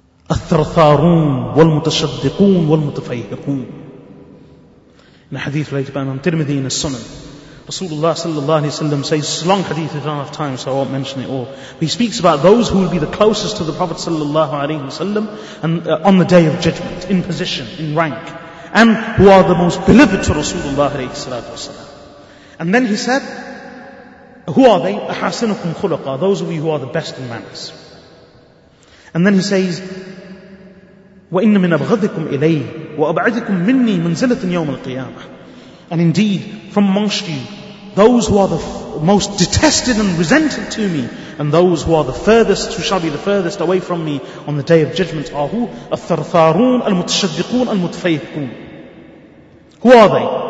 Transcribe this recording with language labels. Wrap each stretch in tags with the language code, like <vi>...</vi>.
<ar>الثرثارون والمتشدقون والمتفيهقون.</ar> <en>In a hadith related by Imam Tirmidhi in his Sunan, Rasulullah sallallahu alayhi wa sallam says, it's a long hadith, I don't have time, so I won't mention it all. But he speaks about those who will be the closest to the Prophet sallallahu alayhi wa sallam on the day of judgment, in position, in rank, and who are the most beloved to Rasulullah alayhi wa sallam. And then he said, who are they?</en> <ar>أَحَاسِنُكُمْ خُلَقَى.</ar> <en>Those of you who are the best in manners. And then he says,</en> <ar>وَإِنَّ مِنْ أَبْغَذِكُمْ إِلَيْهِ وَأَبْعَدِكُمْ مِنِّي مَنْزِلَةٍ يَوْمَ الْقِيَامَةِ.</ar> <en>And indeed, from amongst you, those who are the most detested and resented to me, and those who are the furthest, who shall be the furthest away from me on the day of judgment, are who?</en> <ar>الثَّرْثَارُونَ الْمُتَشَدِّقُونَ الْمُتْفَيْهِقُونَ.</ar> <en>Who are they?</en>